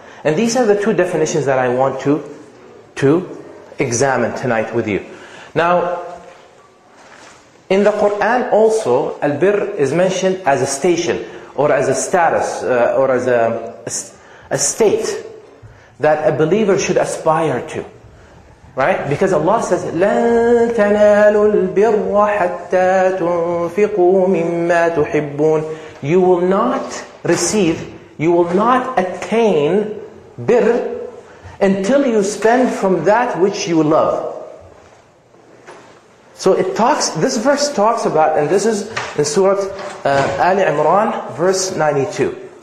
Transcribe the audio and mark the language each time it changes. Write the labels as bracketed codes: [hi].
[en] And these are the two definitions that I want to examine tonight with you. Now, in the Quran also, al-birr is mentioned as a station, or as a status, or as a state that a believer should aspire to. Right? Because Allah says, [ar] لَن تَنَالُوا الْبِرَّ حَتَّى تُنْفِقُوا مِمَّا تُحِبُّونَ. [en] You will not receive, you will not attain birr until you spend from that which you love. So it talks, this verse talks about, and this is in Surah Ali Imran, verse 92.